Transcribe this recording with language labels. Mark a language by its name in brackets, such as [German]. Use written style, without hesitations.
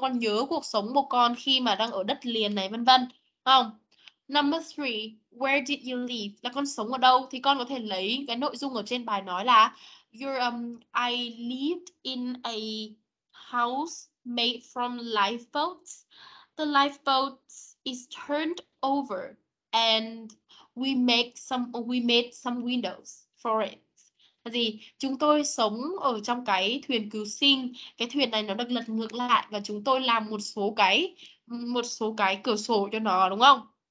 [Vietnamese] Con nhớ cuộc sống của con khi mà đang ở đất liền này, vân vân. Không? [English] Number three, where did you live? [Vietnamese] Là con sống ở đâu? Thì con có thể lấy cái nội dung ở trên bài nói là [English] I lived in a house made from lifeboats. The lifeboat is turned over and we made some windows for it. [Vietnamese] Là gì? Chúng tôi sống ở trong cái thuyền cứu sinh. Cái thuyền này nó được lật ngược lại và chúng tôi làm một số cái cửa sổ cho nó, đúng không?